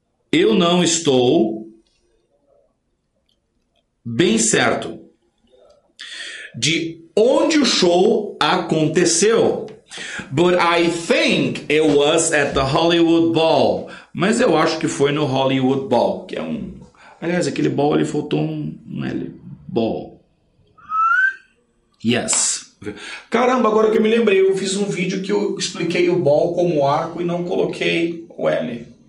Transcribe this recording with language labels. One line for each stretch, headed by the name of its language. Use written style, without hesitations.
Portuguese: Eu não estou bem certo de onde o show aconteceu.
English: But I think it was at the Hollywood Bowl.
Portuguese: Mas eu acho que foi no Hollywood Bowl, que é um... Aliás, aquele ball ali faltou um L. Ball. Yes. Caramba, agora que eu me lembrei, eu fiz um vídeo que eu expliquei o ball como arco e não coloquei o L.